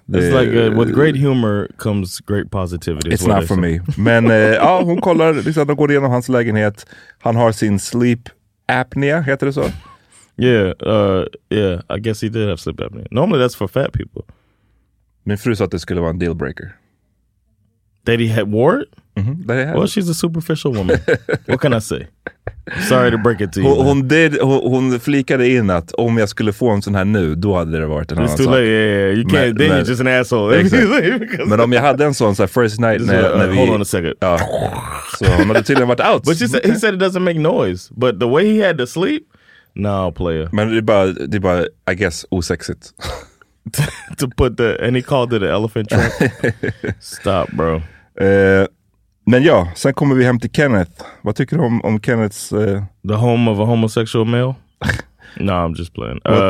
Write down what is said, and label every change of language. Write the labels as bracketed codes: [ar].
[en] It's like, with great humor comes great positivity. It's not for me. [sv] Men hon kollar, liksom, de går igenom hans lägenhet. Han har sin sleep apnea, heter det så? [en] Yeah, I guess he did have sleep apnea. Normally that's for fat people. [sv] Min fru sa att det skulle vara en deal breaker. [en] That he had wore it? Mm-hmm. Well, she's a superficial woman. What can I say? Sorry to break it to you. [sv] Hon flikade in att om jag skulle få en sån här nu, då hade det varit en annan sak. [en] Then you're just an asshole. Exactly. [sv] Men om jag hade en sån så här, [en] first night [sv] när, när vi... [en] Hold on a second. [sv] Så hon hade tydligen varit out. [en] But he said it doesn't make noise. But the way he had to sleep, no, player. [sv] Men det är bara, [en] I guess, [sv] osexigt. [en] To put the... And he called it an elephant trap. Stop, bro. [sv] Men ja, sen kommer vi hem till Kenneth. Vad tycker du om Kenneths... [en] The home of a homosexual male? No, I'm just playing.